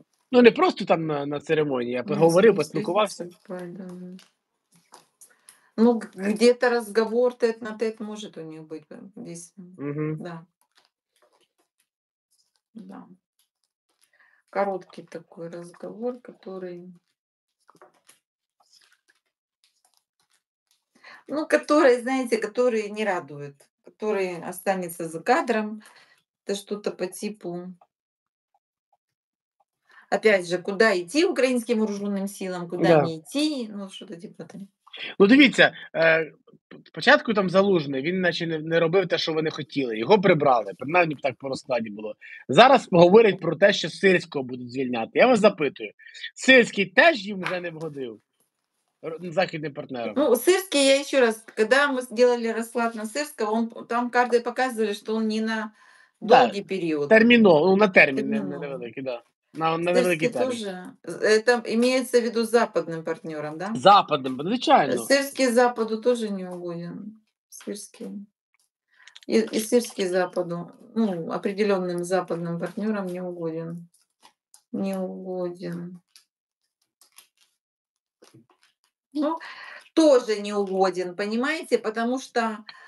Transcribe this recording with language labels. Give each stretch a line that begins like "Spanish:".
Ukrainian: Ну, не просто там на церемонії, я поговорив, поспілкувався. Ну, где-то розговор тет на тет може у них бути десь. Да.
Russian: Да. Короткий такой разговор, который... Ну, который, знаете, который не радует, который останется за кадром. Это что-то по типу, опять же, куда идти украинским вооруженным силам, куда да. Не идти, ну, что-то типа там.
Ukrainian: Ну, дивіться, спочатку там Залужний, він наче не робив те, що вони хотіли, його прибрали, принаймні так по розкладі було. Зараз поговорять про те, що Сирського будуть звільняти. Я вас запитую, Сирський теж їм вже не вгодив? Західним партнером. Ну, Сирський, я ще раз, коли ми зробили розклад на Сирського, он, там карти показували, що він не на... Довгий да, період. Терміново, ну, на термін, невеликий, так. Да. На невеликий термін. Це теж, імається в виду западним партнером, так? Да? Западним, звичайно. Сирський Западу теж не угоден. Сирський. І Сирський Западу, ну, определенним западним партнером не угоден. Не угоден.
Russian: Ну, теж не угоден, понимаете? Потому что...